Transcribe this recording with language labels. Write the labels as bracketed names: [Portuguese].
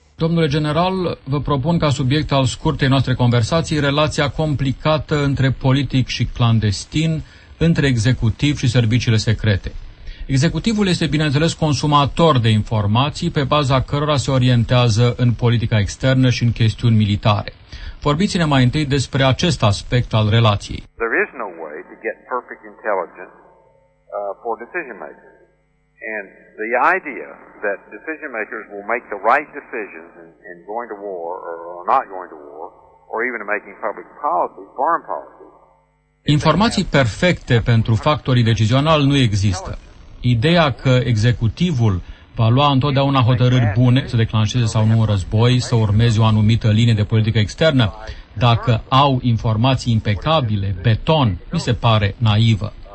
[Romanian] Domnule general, vă propun ca subiect al scurtei noastre conversații relația complicată între politic și clandestin, între executiv și serviciile secrete. Executivul este, bineînțeles, consumator de informații pe baza cărora se orientează în politica externă și în chestiuni militare. Vorbiți-ne mai întâi despre acest aspect al relației. [English] There is no way to get perfect intelligence. For decision makers. And the idea that decision makers will make the right decisions in going to war or not going to war or even making public policy, foreign policy. [Romanian] Informații perfecte pentru factorii decizionali nu există. Ideea că executivul va lua întotdeauna hotărâri bune să declanșeze sau nu un război, să urmeze o anumită linie de politică externă, dacă au informații impecabile, beton, mi se pare naivă.